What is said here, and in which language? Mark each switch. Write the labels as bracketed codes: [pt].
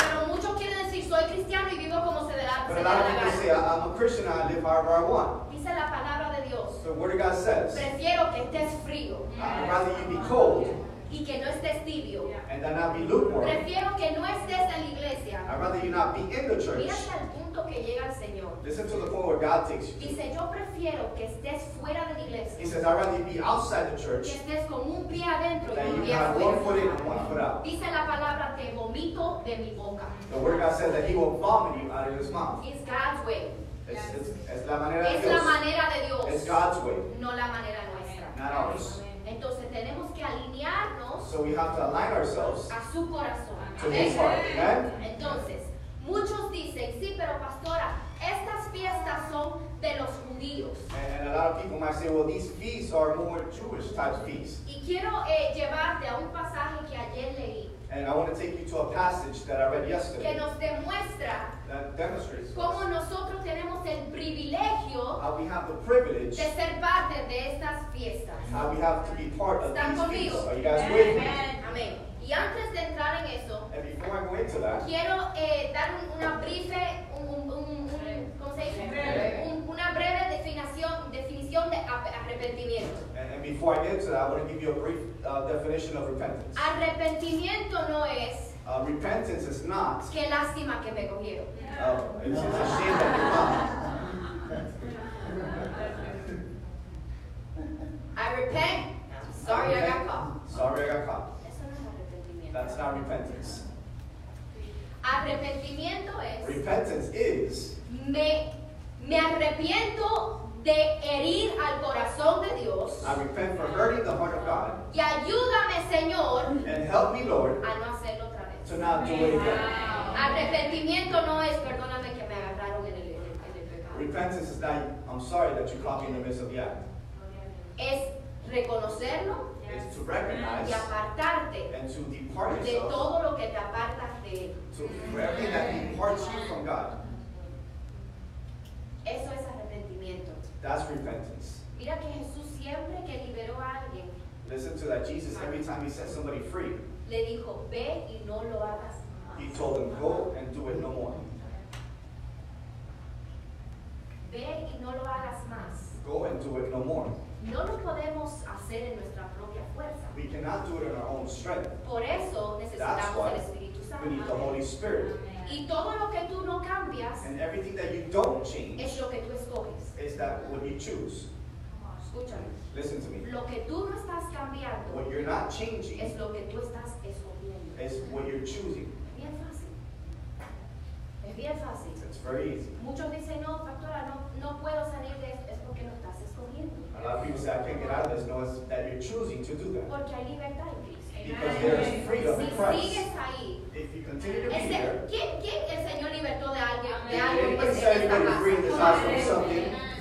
[es] Pero muchos quieren decir, soy cristiano y vivo como se dará. [en] But a lot of people say, I'm a Christian and I live however I want. [es] Dice la palabra de Dios. [en] The word of God says, [es] prefiero que estés frío. [en] I'd rather you be cold. [es] Y que no estés tibio. [en] And then not be lukewarm. [es] Prefiero que no estés en la iglesia. [en] I'd rather you not be in the church. [es] Mira hasta el punto que llega el Señor. [en] Listen to the point where God takes you. [es] Dice, yo prefiero que estés fuera de la iglesia. [en] He says, I'd rather you be outside the church. [es] Que estés con un pie adentro y un pie afuera. [en] One foot in and one foot out. [es] Dice la palabra, te vomito de mi boca. [en] The word of God says that he will vomit you out of his mouth. It's God's way. [es] Es la manera de Dios. Es la manera de Dios. [en] It's God's way. [es] No la manera nuestra. [en] Not ours. [es] Entonces tenemos que alinearnos, [en] so we have to align ourselves, [es] a su corazón. [en] To his heart, amen? [es] Entonces, muchos dicen, sí, pero pastora, estas fiestas son de los judíos. [en] And a lot of people might say, well, these feasts are more Jewish type feasts. [es] Y quiero llevarte a un pasaje que ayer leí. [en] And I want to take you to a passage that I read yesterday. [es] Que nos demuestra, [en] that demonstrates [es] cómo nosotros tenemos el privilegio, [en] how we have the privilege, [es] de ser parte de estas fiestas. [en] How we have to be part of these feasts. Are you guys with me? [es] Amen. Y antes de entrar en eso, [en] and before I go into that, [es] quiero dar una breve, una breve definición de arrepentimiento. [en] And before I get into that, I want to give you a brief definition of repentance. [es] Arrepentimiento no es. [en] Repentance is not. [es] Qué lástima que me cogieron. [en] It's a shame that you caught me. I repent. Sorry, I got caught. Sorry, I got caught. [es] Eso no es arrepentimiento. [en] That's not repentance. [es] Arrepentimiento es. [en] Repentance is. [es] Me arrepiento de herir al corazón de Dios. [en] I repent for hurting the heart of God. [es] Y ayúdame, Señor. [en] And help me, Lord. [es] A no hacerlo otra vez. [en] To not do it again. [es] Arrepentimiento no es, perdóname que me agarraron en el pecado. [en] Repentance is not, I'm sorry that you caught me in the midst of the act. [es] Es reconocerlo. [en] Is to recognize. [es] Y apartarte. [en] And to depart yourself. [es] De todo lo que te apartas de él. [en] To everything that departs you from God. [es] Eso es arrepentimiento. [en] That's repentance. [es] Mira que Jesús siempre que liberó a alguien. [en] Listen to that. Jesus, every time he set somebody free, [es] le dijo, ve y no lo hagas más. [en] He told them, go and do it no more. [es] Ve y no lo hagas más. [en] Go and do it no more. [es] No lo podemos hacer en nuestra propia fuerza. [en] We cannot do it in our own strength. [es] Por eso necesitamos el Espíritu Santo. [en] We need the Holy Spirit. [es] Amen. Y todo lo que tú no cambias, [en] and everything that you don't change, [es] es lo que tú escoges, [en] is that what you choose. [es] Escúchame. [en] Listen to me. [es] Lo que tú no estás cambiando, [en] what you're not changing, [es] es lo que tú estás escogiendo, [en] is what you're choosing. [es] Es bien fácil. Es bien fácil. [en] It's very easy. [es] Muchos dicen, no, pastora, no puedo salir de esto, es porque no estás escogiendo. [en] A lot of people say, I can't get out of this. No, it's that you're choosing to do that. [es] Porque hay libertad en Cristo. [en] Because there is freedom [es] si [en] in Christ. [es] Sigues ahí, [en] if you continue to be here, [es] ¿quién el Señor libertó de alguien? [en] If you can say anybody free in this house from something,